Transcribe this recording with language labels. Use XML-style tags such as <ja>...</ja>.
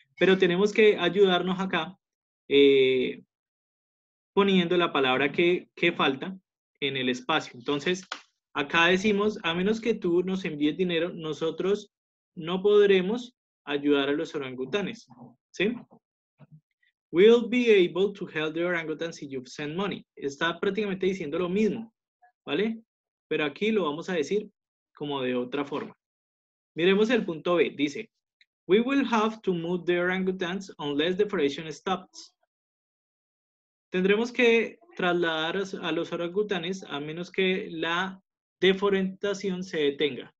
<es>Pero tenemos que ayudarnos acá poniendo la palabra que falta en el espacio. Entonces, acá decimos, a menos que tú nos envíes dinero, nosotros no podremos ayudar a los orangutanes. ¿Sí?</es> <en>We'll be able to help the orangutans if you send money.</en> <es>Está prácticamente diciendo lo mismo, ¿vale? Pero aquí lo vamos a decir como de otra forma. Miremos el punto B.</es> <en>Dice, we will have to move the orangutans unless deforestation stops.</en> <es>Tendremos que trasladar a los orangutanes a menos que la deforestación se detenga.</es>